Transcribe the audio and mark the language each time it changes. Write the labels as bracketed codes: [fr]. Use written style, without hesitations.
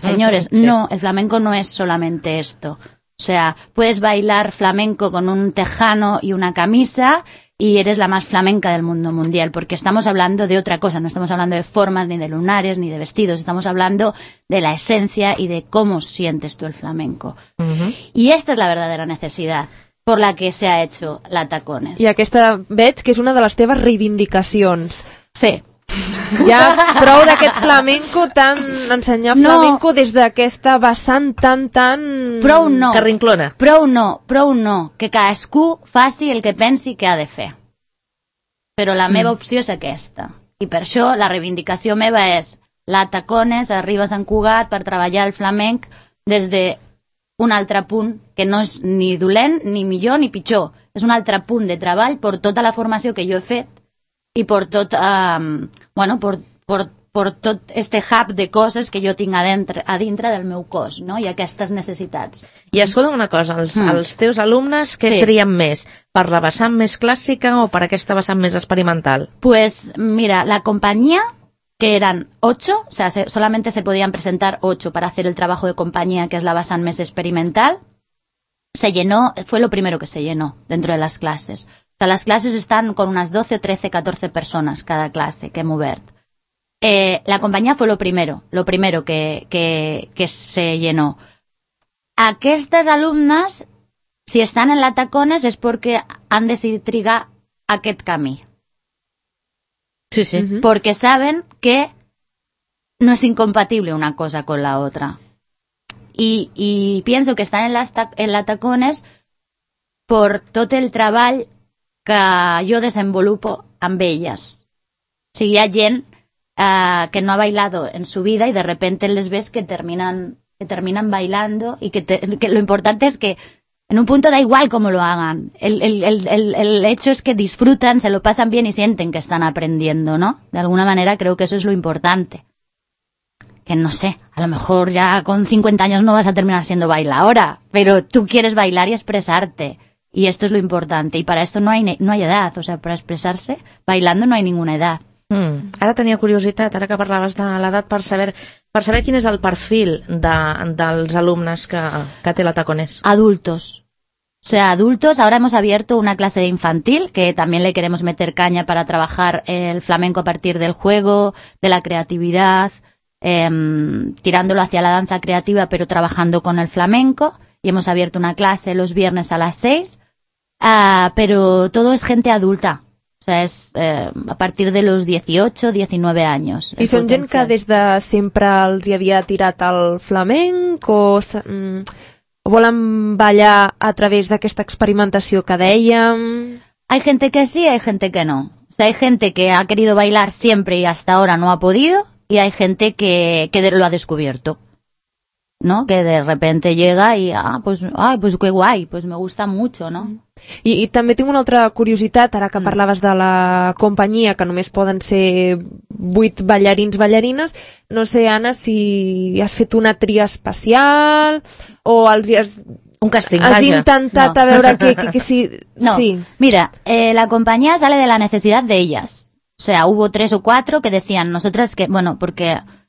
[es] Señores, no, el flamenco no es solamente esto. O sea, puedes bailar flamenco con un tejano y una camisa y eres la más flamenca del mundo mundial, porque estamos hablando de otra cosa, no estamos hablando de formas, ni de lunares, ni de vestidos, estamos hablando de la esencia y de cómo sientes tú el flamenco. Y esta es la verdadera necesidad por la que se ha hecho la Tacones. [ca] I aquesta veig que és una de les teves reivindicacions. Sí. Ja prou d'aquest flamenco tan... Ensenyar flamenco no. Des d'aquesta vessant tan... Prou no. Carrinclona. Prou no. Que cadascú faci el que pensi que ha de fer. Però la meva opció és aquesta. I per això la reivindicació meva és la Tacones, arriba a Sant Cugat per treballar el flamenc des de... un altre punt que no és ni dolent, ni millor, ni pitjor. És un altre punt de treball per tota la formació que jo he fet i per tot, bueno, per per tot este hub de coses que jo tinc a dintre del meu cos, no? I aquestes necessitats. I escolta una cosa, els teus alumnes què trien més? Per la vessant més clàssica o per aquesta vessant més experimental? [es] Pues mira, la companyia, que eran 8, o sea, solamente se podían presentar 8 para hacer el trabajo de compañía, que es [ca] la vessant més experimental, [es] se llenó, fue lo primero que se llenó dentro de las clases. O sea, las clases están con unas 12, 13, 14 personas cada clase que hemos abierto. La compañía fue lo primero que se llenó. [ca] Aquestes alumnes, si estan en la Tacones, és perquè han decidit trigar aquest camí. Sí, sí. Perquè saben que no és incompatible una cosa [es] con la otra. [ca] I penso que estan en la Tacones per tot el treball que jo desenvolupo amb elles. O sigui, hi ha gent que no [es] ha bailado en su vida y de repente les ves que terminan bailando y que lo importante es que en un punto da igual cómo lo hagan. El hecho es que disfrutan, se lo pasan bien y sienten que están aprendiendo, ¿no? De alguna manera creo que eso es lo importante. Que no sé, a lo mejor ya con 50 años no vas a terminar siendo bailadora, pero tú quieres bailar y expresarte. Y esto es lo importante. Y para esto no hay edad, o sea, para expresarse bailando no hay ninguna edad. [ca] Ara tenia curiositat, ara que parlaves de l'edat, per saber quin és el perfil dels alumnes que té la Tacones. [es] Adultos. O sea, adultos. Ahora hemos abierto una clase de infantil, que también le queremos meter caña para trabajar el flamenco a partir del juego, de la creatividad, tirándolo hacia la danza creativa, pero trabajando con el flamenco. Y hemos abierto una clase los viernes a las 6. Pero todo es gente adulta. O sea, es a partir de los 18, 19 años. [ca] I són gent que des de sempre els hi havia tirat el flamenc o volen ballar a través d'aquesta experimentació que dèiem? [es] Hay gente que sí, hay gente que no. O sea, hay gente que ha querido bailar siempre y hasta ahora no ha podido y hay gente que lo ha descubierto, ¿no? Que de repente llega y, pues qué guay, pues me gusta mucho, ¿no? [ca] I també tinc una altra curiositat, ara que parlaves de la companyia, que només poden ser 8 ballarins, ballarines, no sé, Anna, si has fet una tria especial o els hi has... Un casting, has intentat a veure que si... No, sí. Mira, la companyia sale de la necessitat d'elles. [es] O sea, hubo 3 o 4 que decían, nosotras que, bueno, porque...